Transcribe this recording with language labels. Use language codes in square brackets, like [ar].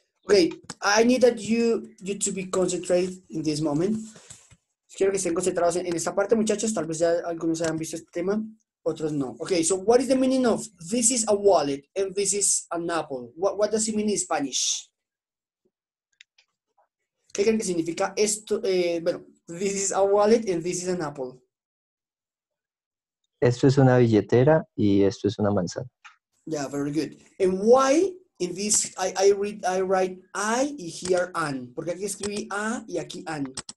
[en] Okay, I need that you to be concentrated in this moment. [es] Quiero que estén concentrados en esta parte, muchachos. Tal vez ya algunos hayan visto este tema, otros no. [en] Okay, so what is the meaning of this is a wallet and this is an apple? What does it mean in Spanish? [es] ¿Qué creen que significa esto? Bueno, [en] this is a wallet and this is an apple. [es] Esto es una billetera y esto es una manzana. [en] Yeah, very good. And why in this I write I y here an? [es] Porque aquí escribí a y aquí an.